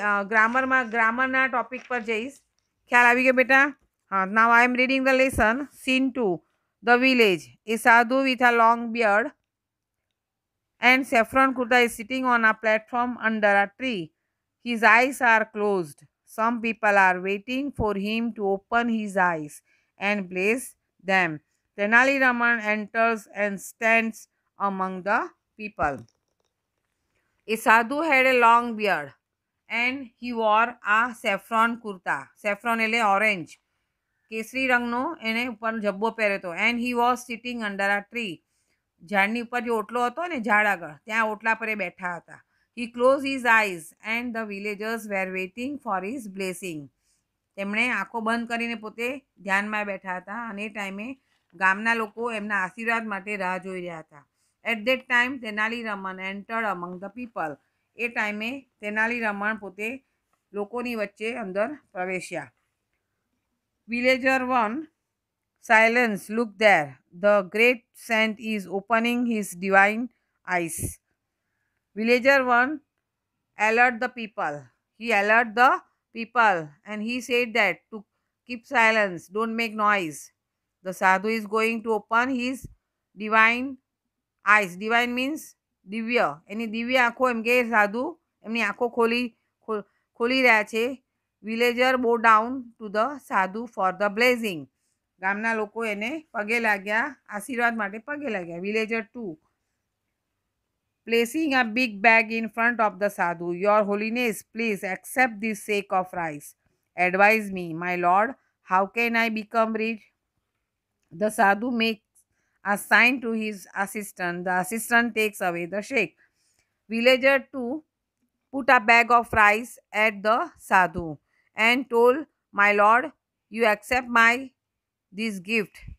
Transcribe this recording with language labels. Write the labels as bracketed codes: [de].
[gu] ગ્રામરમાં ગ્રામરના topic પર જઈશ ખ્યાલ આવી ગયો બેટા [en] હા now I am reading the lesson scene two the village a sadhu with a long beard and saffron kurta is sitting on a platform under a tree his eyes are closed Some people are waiting for him to open his eyes and bless them. Tenali Raman enters and stands among the people. A sadhu had a long beard and he wore a saffron kurta. [gu] Saffron એટલે orange. કેસરી રંગનો એને ઉપર જબ્બો પહેર્યો હતો. [en] And he was sitting under a tree. [gu] ઝાડની ઉપર જે ઓટલો હતો ને ઝાડ આગળ ત્યાં ઓટલા પર એ બેઠા હતા. [en] He closed his eyes and the villagers were waiting for his blessing. [gu] તેમણે આંખો બંધ કરીને પોતે ધ્યાનમાં બેઠા હતા અને એ ટાઈમે ગામના લોકો એમના આશીર્વાદ માટે રાહ જોઈ રહ્યા હતા. [en] at that time Tenali Raman entered among the people [gu] એ ટાઈમે તેનાલી રમણ પોતે લોકોની વચ્ચે અંદર પ્રવેશ્યા. [en] Villager one silence look there the great saint is opening his divine eyes Villager one alert the people. He alert the people and he said that to keep silence, don't make noise. The sadhu is going to open his divine eyes. Divine means divya. [gu] એની દિવ્ય આંખો એમ કે સાધુ એમની આંખો ખોલી રહ્યા છે. [en] Villager bow down to the sadhu for the blessing. [gu] ગામના લોકો એને પગે લાગ્યા આશીર્વાદ માટે પગે લાગ્યા. [en] Villager two. Placing a big bag in front of the sadhu, Your Holiness, please accept this sack of rice. Advise me, my lord, how can I become rich? The sadhu makes a sign to his assistant. The assistant takes away the sack. Villager 2 put a bag of rice at the sadhu and told, My lord, you accept my this gift.